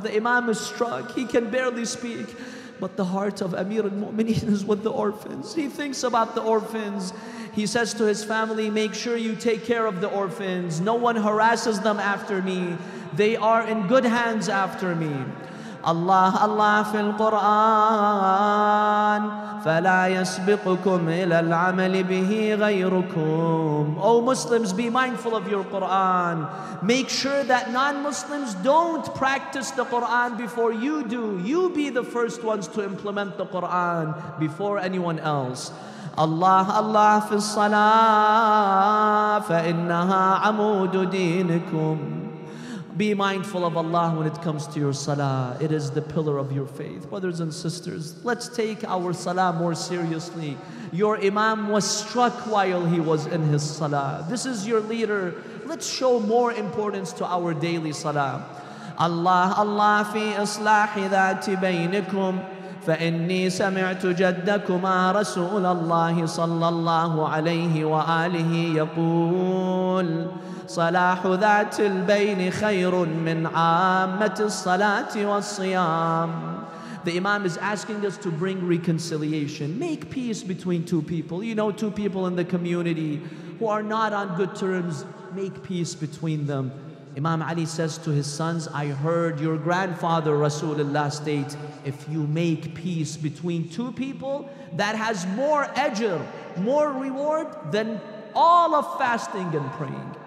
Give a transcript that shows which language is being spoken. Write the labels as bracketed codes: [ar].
[en] The Imam is struck, he can barely speak. But the heart of Amir al-Mu'mineen is with the orphans. He thinks about the orphans. He says to his family, make sure you take care of the orphans. No one harasses them after me. They are in good hands after me. [ar] Allah, Allah في القرآن فلا يسبقكم إلى العمل به غيركم. [en] O Muslims, be mindful of your Quran. Make sure that non-Muslims don't practice the Quran before you do. You be the first ones to implement the Quran before anyone else. [ar] Allah, Allah في الصلاة فإنها عمود دينكم. [en] Be mindful of Allah when it comes to your salah. It is the pillar of your faith. Brothers and sisters, let's take our salah more seriously. Your imam was struck while he was in his salah. This is your leader. Let's show more importance to our daily salah. [ar] Allah, Allah fi islahi dhati baynikum. فإني سمعت جدكما رسول الله صلى الله عليه وآله يقول صلاح ذات البين خير من عامة الصلاة والصيام. [en] The Imam is asking us to bring reconciliation. Make peace between two people. You know, two people in the community who are not on good terms. Make peace between them. Imam Ali says to his sons, I heard your grandfather Rasulullah state, if you make peace between two people, that has more ajr, more reward than all of fasting and praying.